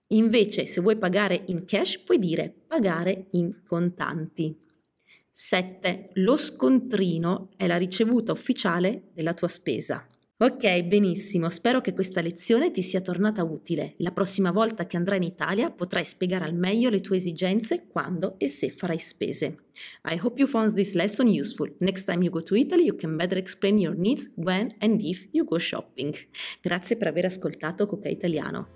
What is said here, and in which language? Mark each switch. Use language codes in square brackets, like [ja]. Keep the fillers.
[it] Invece se vuoi pagare in cash puoi dire pagare in contanti. 7. Lo scontrino è la ricevuta ufficiale della tua spesa. Ok, benissimo, spero che questa lezione ti sia tornata utile. La prossima volta che andrai in Italia potrai spiegare al meglio le tue esigenze, quando e se farai spese. [en] I hope you found this lesson useful. Next time you go to Italy, you can better explain your needs when and if you go shopping. [it] Grazie per aver ascoltato Coca Italiano.